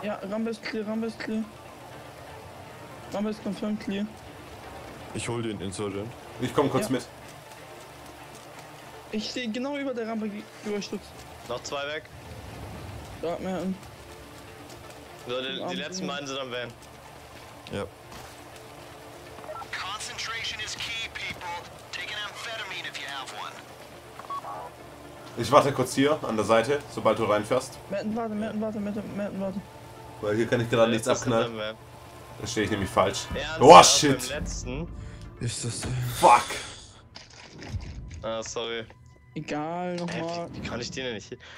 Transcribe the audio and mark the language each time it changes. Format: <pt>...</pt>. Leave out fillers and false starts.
<de>Ja, Rambe ist clear, Rambe ist clear. Rambe ist confirmed clear. Ich hol den Insurgent. Ich komm kurz mit. Ich stehe genau über der Rampe, überstürzt. Noch zwei weg. Da hat mir einen. So, die letzten beiden sind am Van. Ja.</de> <en>Concentration is key, people. Take an amphetamine if you have one.</en> <de>Ich warte kurz hier an der Seite, sobald du reinfährst. Merten, warte. Weil hier kann ich gerade nichts abknallen. Da stehe ich nämlich falsch. Ernsthaft?</de> <en>Oh shit!</en> <de>Ist das der? Fuck! Ah, sorry. Egal, nochmal. Wie kann ich den denn nicht hier?</de>